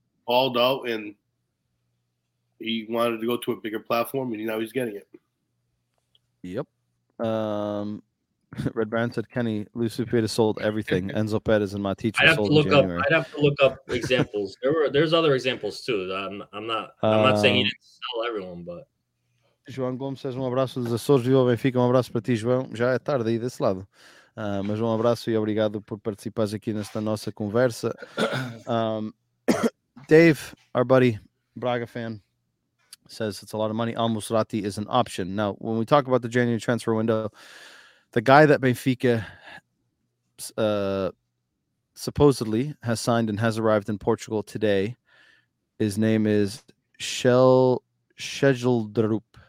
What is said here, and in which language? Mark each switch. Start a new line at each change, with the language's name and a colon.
English: Balled out and he wanted to go to a bigger platform, and now he's getting it. Yep. Red Brand said, Kenny, Lucio Pieta sold everything. Enzo Perez and Matic sold to look up. I'd have to look up examples. There's other examples too. I'm not saying he didn't sell everyone, but.
Portuguese: João Gomes says, um abraço dos Açores, viva Benfica, um abraço para ti, João. Já é tarde aí desse lado. Mas um abraço e obrigado por participares aqui nesta nossa conversa.
English: Dave, our buddy, Braga fan, says it's a lot of money. Al Musrati is an option. Now, when we talk about the January transfer window, the guy that Benfica supposedly has signed and has arrived in Portugal today, his name is Shell Schedeldrup.